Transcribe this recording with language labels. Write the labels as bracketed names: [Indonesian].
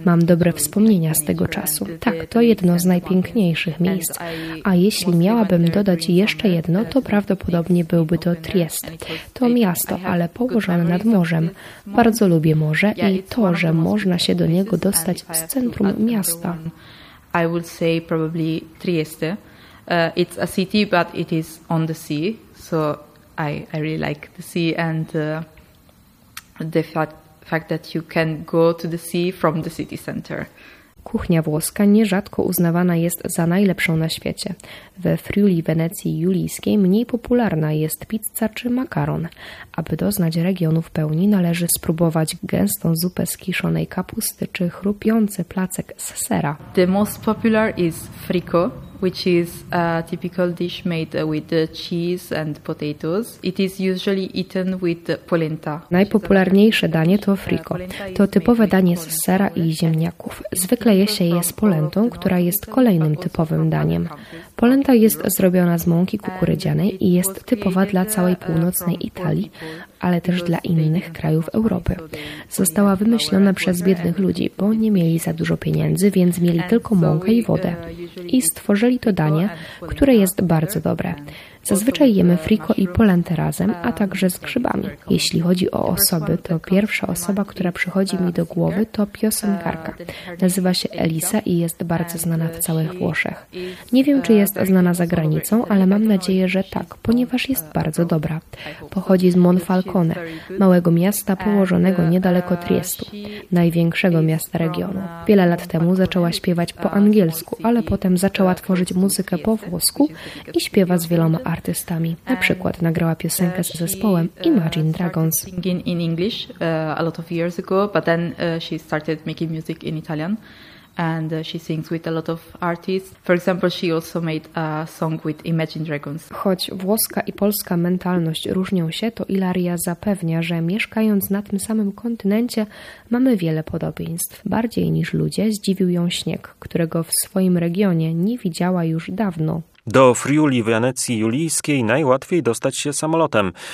[Polish] Mam dobre wspomnienia z tego czasu. Tak, to jedno z najpiękniejszych miejsc. A jeśli miałabym dodać jeszcze jedno, to prawdopodobnie byłby to Triest. To miasto, ale położone nad morzem. Bardzo lubię morze i to, że można się do niego dostać z centrum miasta. [English] I would say probably Trieste. It's a city, but it is on the sea, so I really like the sea and the fact that you can go to the sea from the city center. [Polish] Kuchnia włoska nierzadko uznawana jest za najlepszą na świecie. We Friuli Wenecji Julijskiej mniej popularna jest pizza czy makaron. Aby doznać regionu w pełni, należy spróbować gęstą zupę z kiszonej kapusty czy chrupiący placek z sera. [English] The most popular is frico, which is a typical dish made with cheese and potatoes. It is usually eaten with polenta. [Polish] Najpopularniejsze danie to frico. To typowe danie z sera i ziemniaków. Zwykle je się je z polentą, która jest kolejnym typowym daniem. Polenta jest zrobiona z mąki kukurydzianej i jest typowa dla całej północnej Italii, ale też dla innych krajów Europy. Została wymyślona przez biednych ludzi, bo nie mieli za dużo pieniędzy, więc mieli tylko mąkę i wodę. I stworzyli to danie, które jest bardzo dobre. Zazwyczaj jemy frico i polentę razem, a także z grzybami. Jeśli chodzi o osoby, to pierwsza osoba, która przychodzi mi do głowy, to piosenkarka. Nazywa się Elisa i jest bardzo znana w całych Włoszech. Nie wiem, czy jest znana za granicą, ale mam nadzieję, że tak, ponieważ jest bardzo dobra. Pochodzi z Monfalcone, małego miasta położonego niedaleko Triestu, największego miasta regionu. Wiele lat temu zaczęła śpiewać po angielsku, ale potem zaczęła tworzyć muzykę po włosku i śpiewa z wieloma artystami. Na przykład nagrała piosenkę z zespołem Imagine Dragons. [English] Singing in English a lot of years ago, but then she started making music in Italian and she sings with a lot of artists. For example, she also made a song with Imagine Dragons. [Polish] Choć włoska i polska mentalność różnią się, to Ilaria zapewnia, że mieszkając na tym samym kontynencie, mamy wiele podobieństw. Bardziej niż ludzie zdziwił ją śnieg, którego w swoim regionie nie widziała już dawno. Do Friuli Wenecji Julijskiej najłatwiej dostać się samolotem.